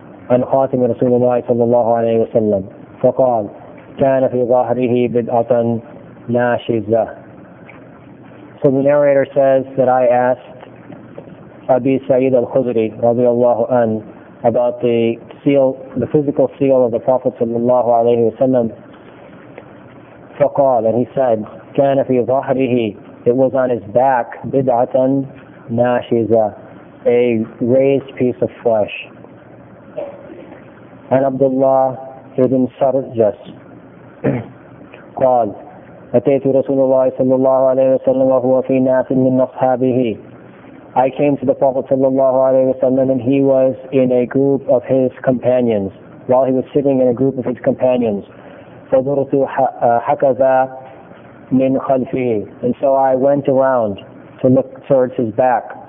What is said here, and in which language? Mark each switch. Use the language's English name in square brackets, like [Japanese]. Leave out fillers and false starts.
[Arabic] عن خاتم رسول الله صلى الله عليه وسلم فقال كان في ظهره بدعة ناشزة. [English] So the narrator says that I asked Abi Sa'id al-Khudri رضي الله عنه about the seal, the physical seal of the Prophet صلى الله عليه وسلم. فقال, and he said, [Arabic] كان في ظهره, [English] it was on his back, [Arabic] بدعة ناشزة, [English] a raised piece of flesh. [Arabic] عن عبد الله بن سرجس قال أتيت رسول الله صلى الله عليه وسلم وهو في ناس من أصحابه. [English] I came to the Prophet صلى الله عليه وسلم and he was in a group of his companions, while he was sitting in a group of his companions. [Arabic] فضرت حكذا من خلفه, [English] and so I went around to look towards his back.